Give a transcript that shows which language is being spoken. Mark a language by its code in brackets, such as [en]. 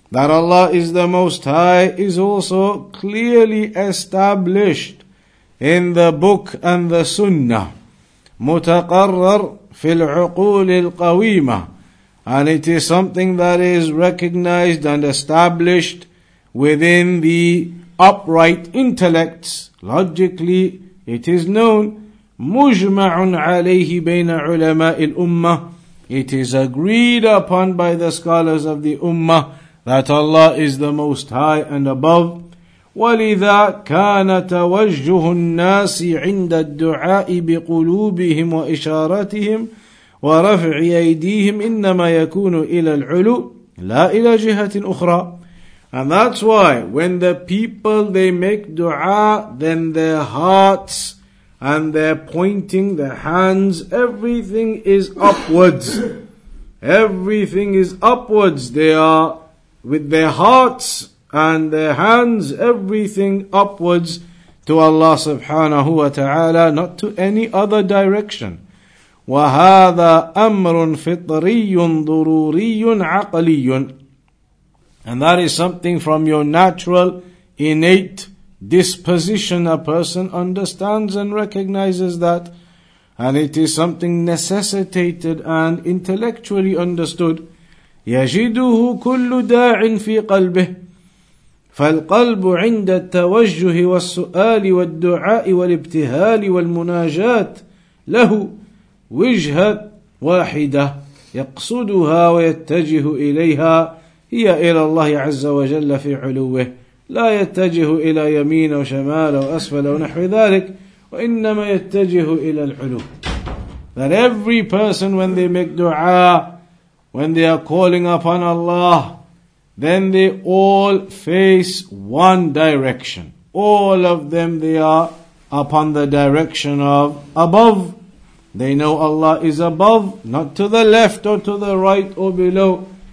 [en] That Allah is the Most High is also clearly established in the book and the sunnah. [ar] مُتَقَرَّرْ فِي الْعُقُولِ الْقَوِيمَةِ. [en] And it is something that is recognized and established within the upright intellects. Logically, it is known. [ar] مجمع عليه بين علماء الأمة. [en] It is agreed upon by the scholars of the Ummah that Allah is the Most High and above. [ar] ولذا كان توجه الناس عند الدعاء بقلوبهم وإشارتهم ورفع أيديهم إنما يكون إلى العلو لا إلى جهة أخرى. [en] And that's why when the people they make dua, then their hearts and they're pointing their hands, everything is upwards. Everything is upwards. They are with their hearts and their hands, everything upwards to Allah subhanahu wa ta'ala, not to any other direction. [ar] وَهَذَا أَمْرٌ فِطْرِيٌ ضُرُورِيٌ عَقْلِيٌ. [en] And that is something from your natural, innate disposition, a person understands and recognizes that, and it is something necessitated and intellectually understood. [ar] يَجِدُهُ كُلُّ دَاعٍ فِي قَلْبِهِ فَالْقَلْبُ عِنْدَ التَّوَجُّهِ وَالسُّؤَالِ وَالدُّعَاءِ وَالِابْتِهَالِ وَالْمُنَاجَاتِ لَهُ وِجْهَةٌ وَاحِدَةٌ يَقْصُدُهَا وَيَتَّجِهُ إِلَيْهَا هِيَ إِلَى اللَّهِ عَزَّ وَجَلَّ فِي عُلُوِّهِ لا يتجه إلى يمين وشمال وأسفل ونحو ذلك وإنما يتجه إلى العلو. [en] That every person when they make dua, when they are calling upon Allah, then they all face one direction. All of them, they are upon the direction of above. They know Allah is above, not to the left or to the right or below.